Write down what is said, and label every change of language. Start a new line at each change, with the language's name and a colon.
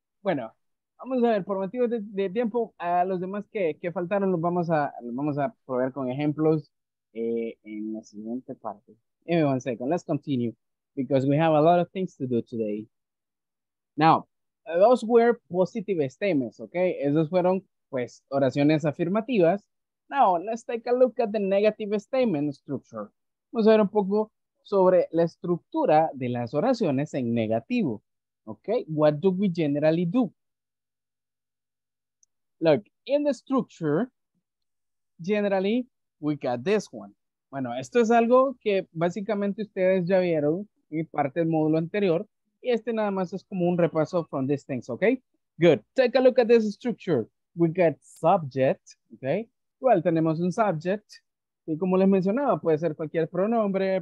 Spanish: Bueno, vamos a ver, por motivos de tiempo, a los demás que faltaron, los vamos a probar con ejemplos en la siguiente parte.
English: Give me one second. Let's continue. Because we have a lot of things to do today. Now, those were positive statements, okay?
Spanish: Esos fueron pues, oraciones afirmativas.
English: Now, let's take a look at the negative statement structure.
Spanish: Vamos a ver un poco sobre la estructura de las oraciones en negativo.
English: Okay, what do we generally do? Look, in the structure, generally, we got this one.
Spanish: Bueno, esto es algo que básicamente ustedes ya vieron en parte del módulo anterior. Y este nada más es como un repaso
English: from these things,
Spanish: okay? Good.
English: Take a look at this structure. We got subject, okay?
Spanish: Well, tenemos un subject. Y como les mencionaba, puede ser cualquier pronombre.